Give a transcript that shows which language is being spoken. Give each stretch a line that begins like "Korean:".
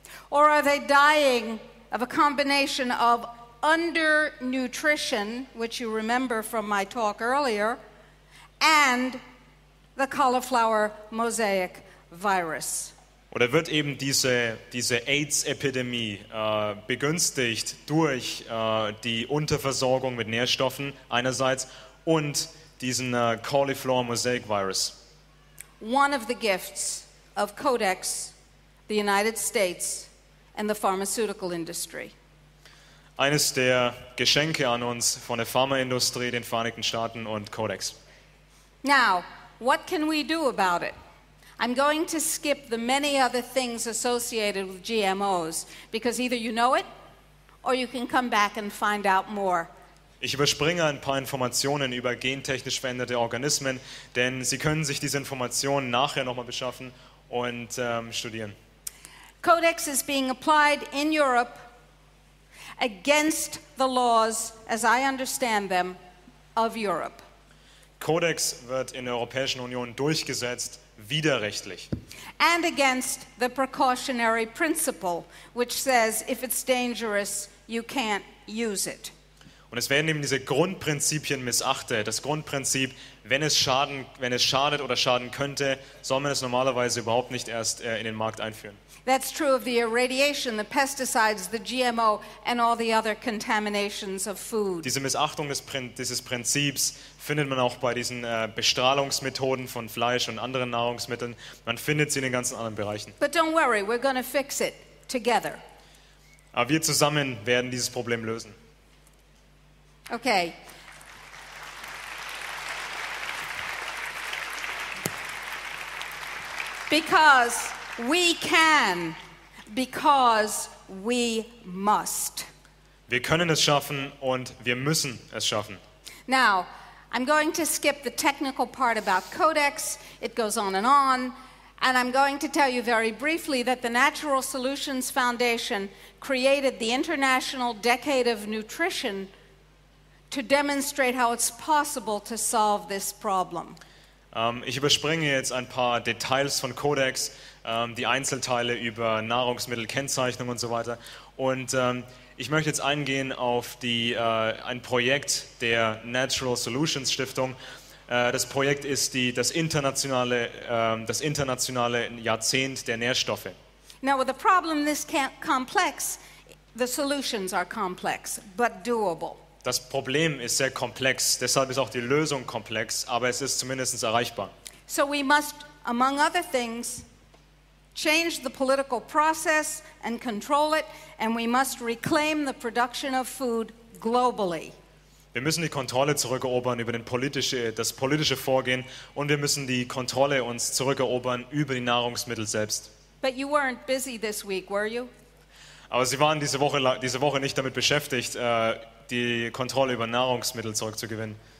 English: Or are they dying of a combination of undernutrition, which you remember from my talk earlier, and the cauliflower mosaic virus?
German: Oder wird eben diese AIDS-Epidemie begünstigt durch die Unterversorgung mit Nährstoffen einerseits und diesen cauliflower mosaic virus?
English: One of the gifts of Codex, the United States, and the pharmaceutical industry.
German: Eines der Geschenke an uns von der Pharmaindustrie, den Vereinigten Staaten und Codex.
English: Now, what can we do about it? I'm going to skip the many other things associated with GMOs, because either you know it, or you can come back and find out more.
German: Ich überspringe ein paar Informationen über gentechnisch veränderte Organismen, denn Sie können sich diese Informationen nachher nochmal beschaffen und studieren.
English: Codex is being applied in Europe against the laws, as I understand them, of Europe.
German: Codex wird in der Europäischen Union durchgesetzt, widerrechtlich.
English: And against the precautionary principle, which says if it's dangerous, you can't use it.
German: Und es werden eben diese Grundprinzipien missachtet. Das Grundprinzip, wenn es schadet oder schaden könnte, soll man es normalerweise überhaupt nicht erst in den Markt einführen.
English: That's true of the irradiation, the pesticides, the GMO and all the other contaminations of food.
German: Diese Missachtung dieses Prinzips findet man auch bei diesen Bestrahlungsmethoden von Fleisch und anderen Nahrungsmitteln. Man findet sie in den ganzen anderen Bereichen.
English: But don't worry, we're going to fix it together.
German: Aber wir zusammen werden dieses Problem lösen.
English: Okay. Because we must.
German: Wir können es schaffen und wir müssen es schaffen.
English: Now, I'm going to skip the technical part about codecs. It goes on and on. And I'm going to tell you very briefly that the Natural Solutions Foundation created the International Decade of Nutrition to demonstrate how it's possible to solve this problem.
German: Ich überspringe jetzt ein paar Details von Codecs, die Einzelteile über Nahrungsmittelkennzeichnung und so weiter. Und ich möchte jetzt eingehen auf ein Projekt der Natural Solutions Stiftung. Das Projekt ist das internationale Jahrzehnt der Nährstoffe.
English: Now with a problem this complex, the solutions are complex, but doable.
German: Das Problem ist sehr komplex, deshalb ist auch die Lösung komplex, aber es ist zumindest erreichbar.
English: So we must, among other things, change the political process and control it, and we must reclaim the production of food globally.
German: Wir müssen die Kontrolle zurückerobern über das politische Vorgehen und wir müssen die Kontrolle uns zurückerobern über die Nahrungsmittel selbst.
English: But you weren't busy this week, were you?
German: Aber Sie waren diese Woche nicht damit beschäftigt, die Kontrolle über Nahrungsmittel zurückzugewinnen.